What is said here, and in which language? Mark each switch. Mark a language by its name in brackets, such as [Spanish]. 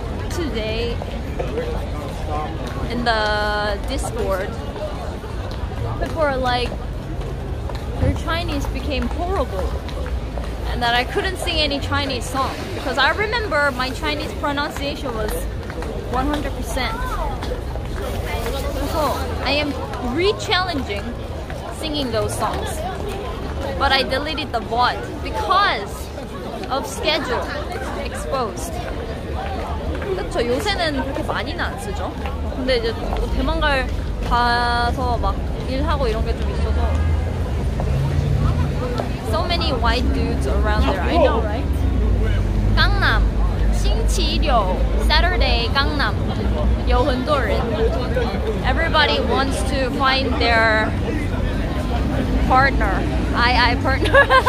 [English] Today In the Discord People are like Your Chinese became horrible And that I couldn't sing any Chinese song Because I remember my Chinese pronunciation was 100% So I am re-challenging singing those songs but I deleted the VOD because of schedule exposed [Korean] 그쵸 요새는 그렇게 많이는 안 쓰죠 근데 이제 뭐 대만 갈 가서 막 일하고 이런 게 좀 있어서 [English] so many white dudes around there I know right 강남 [Chinese] 星期六 [English] Saturday 강남 [Chinese] 有很多人 [English] everybody wants to find their partner, I partner.